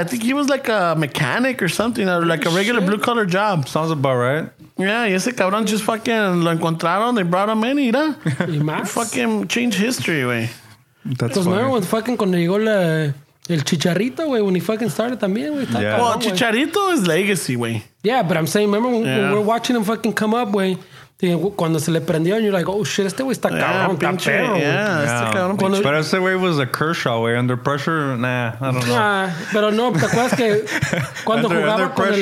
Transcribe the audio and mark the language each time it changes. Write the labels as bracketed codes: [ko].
[en] I think he was like a mechanic or something. Or like a regular blue-collar job. Sounds about right. [es] Yeah, y ese cabrón [en] just fucking [es] lo encontraron. [en] They brought him in, mira. [es] Y más. [en] Fucking change history, güey. That's funny. Remember when fucking [es] cuando llegó la, el Chicharito, güey, [en] when he fucking started también, güey. Yeah. Well, Chicharito is legacy, güey. Yeah, but I'm saying, remember when we're watching him fucking come up, güey. [es] Cuando se le prendió, [en] and you're like, oh shit, [es] este güey está cabrón, pinche. [en] Yeah, [es] este cabrón, pinche. [en] But I said, wait, was a Kershaw, güey, under pressure? Nah, I don't know. [es] Nah, pero no, ¿te acuerdas que cuando jugaba con el